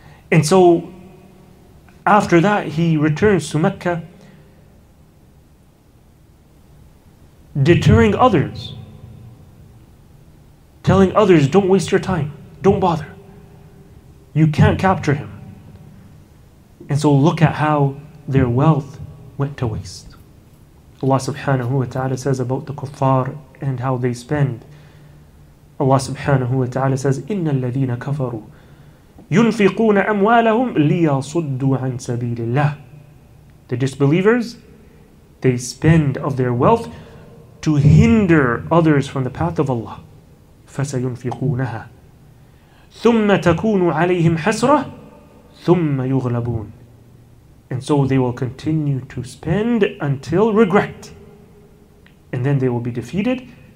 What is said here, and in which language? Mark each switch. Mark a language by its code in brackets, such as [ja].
[en] And so after that, he returns to Mecca, deterring others, telling others, don't waste your time, don't bother, you can't capture him. And so look at how their wealth went to waste. Allah subhanahu wa ta'ala says about the kuffar and how they spend. Allah subhanahu wa ta'ala says, [ar] إِنَّ الَّذِينَ كَفَرُوا يُنْفِقُونَ أَمْوَالَهُمْ لِيَصُدُّوا عَنْ سَبِيلِ اللَّهِ. [en] The disbelievers, they spend of their wealth to hinder others from the path of Allah. [ar] فَسَيُنْفِقُونَهَا ثُمَّ تَكُونُ عَلَيْهِمْ حَسْرَةٌ ثُمَّ يُغْلَبُونَ. [en] And so they will continue to spend until regret, and then they will be defeated.